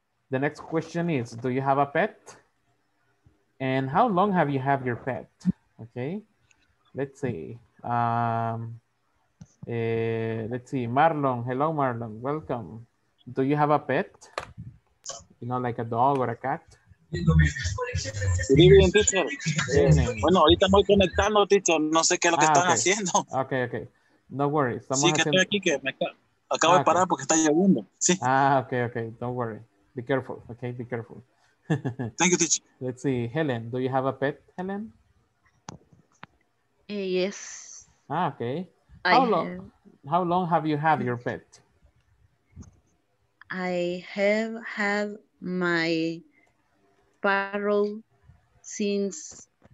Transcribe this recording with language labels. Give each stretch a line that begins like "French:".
English: The next question is, do you have a pet? And how long have you had your pet? Okay, let's see. Let's see, Marlon, hello Marlon, welcome. Do you have a pet? You know, like a dog or a cat? Good evening, teacher.
Spanish: Bueno, ahorita estoy conectando, teacher. No sé qué es lo que están haciendo.
English: Okay, okay. No worries.
Spanish: Estamos sí, que haciendo... estoy aquí, que me acabo de parar porque está llegando. Sí.
English: Okay, okay, don't worry. Be careful, okay, be careful. Thank you, teacher. Let's see, Helen, do you have a pet, Helen? Yes. Okay. How long have you had your pet? I have had my parrot since